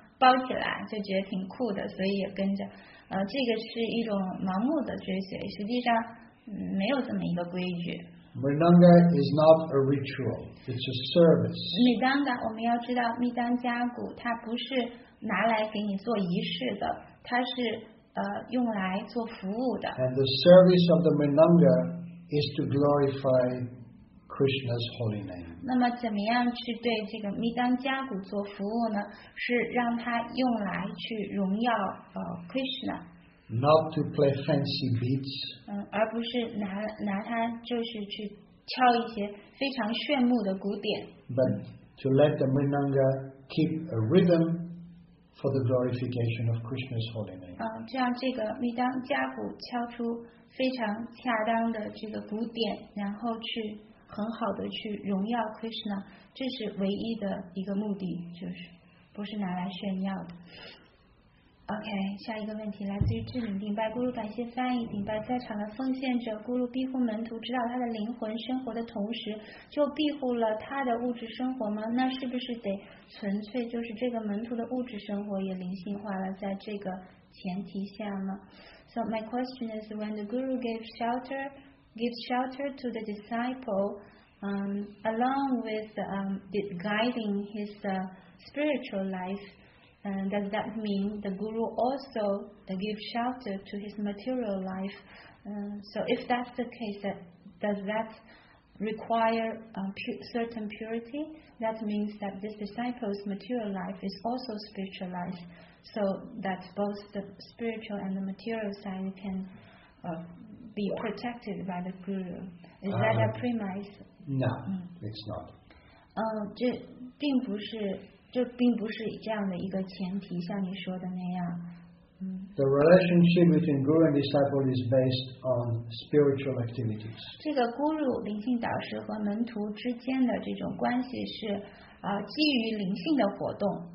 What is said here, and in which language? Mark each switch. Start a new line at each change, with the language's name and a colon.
Chinese: 就是用什么，就是有的时候奉献者会非常盲目的追随某一种这种像奉献者的时尚潮流。我看到别人用布把这个米当嘎好像包起来，就觉得挺酷的，所以也跟着。这个是一种盲目的追随，实际上没有这么一个规矩。
English: Mridanga is not a ritual, it's a service.
Chinese: Mridanga, 我们要知道密当加鼓它不是拿来给你做仪式的，它是用来做服务的。
English: And the service of the Mridanga is to glorify Krishna's holy name.
Chinese: 那么怎么样去对这个密当加鼓做服务呢？是让它用来去荣耀Krishna。
English: Not to play fancy beats.
Chinese: 而不是拿它就是去敲一些非常炫目的鼓点。
English: But to let the Mridanga keep a rhythm for the glorification of Krishna's holy name.
Chinese: 这样这个密当加鼓敲出非常恰当的这个鼓点，然后去很好的去荣耀 Krishna， 这是唯一的一个目的，就是不是拿来炫耀的。 OK， 下一个问题来自于智敏顶拜咕噜，感谢翻译顶拜。在场的奉献者咕噜庇护门徒知道他的灵魂生活的同时就庇护了他的物质生活吗？那是不是得纯粹就是这个门徒的物质生活也灵性化了，在这个前提下呢？
English: So my question is, when the guru gives shelter to the disciple along with guiding his spiritual life, does that mean the guru also gives shelter to his material life? So if that's the case, does that require certain purity? That means that this disciple's material life is also spiritual life, so that both the spiritual and the material side can be protected by the guru. Is that a premise? No, it's not.
Chinese: 这并不是，这并不是这样的一个前提，像你说的那样。
English: The relationship between guru and disciple is based on spiritual activities.
Chinese: 这个 guru 灵性导师和门徒之间的这种关系是基于灵性的活动。